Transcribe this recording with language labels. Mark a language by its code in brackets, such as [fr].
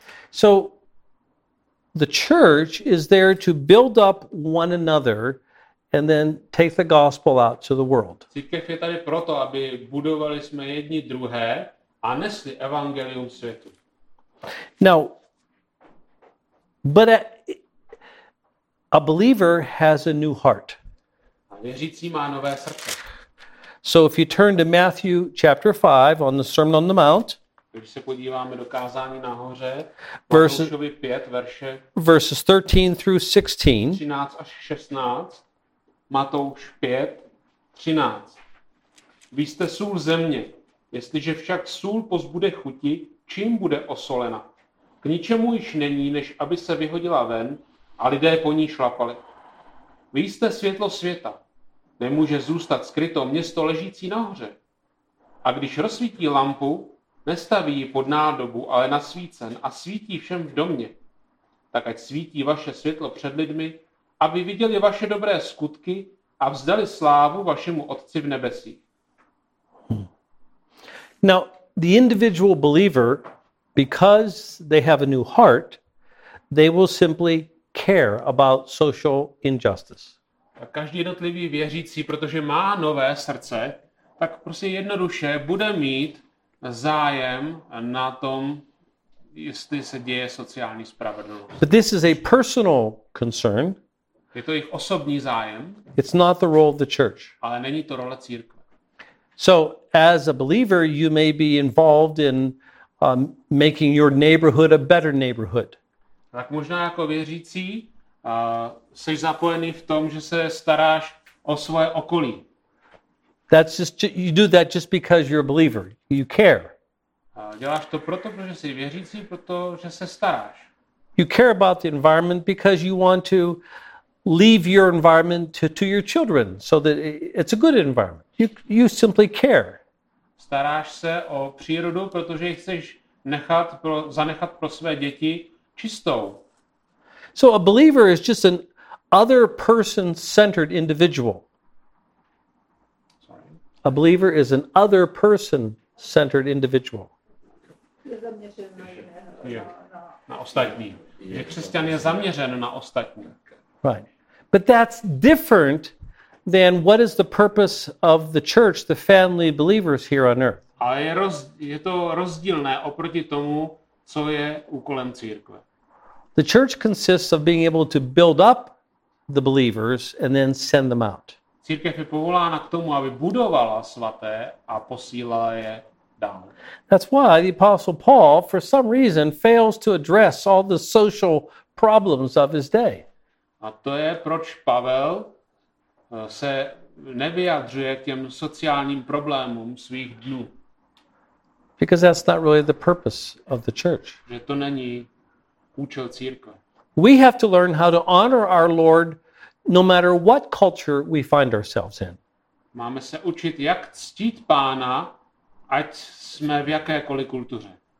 [en] So the church is there to build up one another and then take the gospel out to the world. [cs] Církev je tady proto, aby budovali jsme jedni druhé a nesli evangelium světu. [en] Now, but a believer has a new heart. [cs] A věřící má nové srdce. [en] So if you turn to Matthew chapter 5 on the Sermon on the Mount, [cs] když se podíváme do kázání nahoře, [en] verses [cs] 5, verše, [en] verses 13 through 16, [cs] 13 až 16, Matouš 5, 13. Vy jste sůl země, jestliže však sůl pozbude chuti, čím bude osolena? K ničemu již není, než aby se vyhodila ven a lidé po ní šlapali. Vy jste světlo světa. Nemůže zůstat skryto město ležící nahoře. A když rozsvítí lampu, nestaví ji pod nádobu, ale na svícen a svítí všem v domě, tak ať svítí vaše světlo před lidmi, aby viděli vaše dobré skutky a vzdali slávu vašemu Otci v nebesích. [en] Now, the individual believer, because they have a new heart, they will simply care about social injustice. [cs] Každý jednotlivý věřící, protože má nové srdce, tak prostě jednoduše bude mít zájem na tom, jestli se děje sociální spravedlnost. [en] But this is a personal concern. [cs] Je to jejich osobní zájem. [en] It's not the role of the church. [cs] Ale není to role církve. [en] So, as a believer, you may be involved in making your neighborhood a better neighborhood. [cs] Tak možná jako věřící jsi zapojený v tom, že se staráš o svoje okolí. [en] That's just you do that just because you're a believer. You care. [cs] Děláš to proto, protože jsi věřící, protože se staráš. [en] You care about the environment because you want to leave your environment to your children so that it's a good environment. You simply care. [cs] Staráš se o přírodu, protože chceš zanechat pro své děti čistou. [en] So a believer is just an other person-centered individual. A believer is an other person-centered individual. [cs] Na ostatní. Že křesťan je zaměřen na ostatní. [en] Right. But that's different than what is the purpose of the church, the family believers here on earth. [cs] Ale je to rozdílné oproti tomu, co je úkolem církve. [en] The church consists of being able to build up the believers and then send them out. [cs] Církev je povolána k tomu, aby budovala svaté a posílá je dál. [en] That's why the apostle Paul, for some reason, fails to address all the social problems of his day. [cs] A to je, proč Pavel se nevyjadřuje k těm sociálním problémům svých dnů. [en] Because that's not really the purpose of the church. [cs] Že to není účel církve. [en] We have to learn how to honor our Lord no matter what culture we find ourselves in. [cs] Máme se učit, jak ctít Pána, ať jsme v jakékoliv kultuře.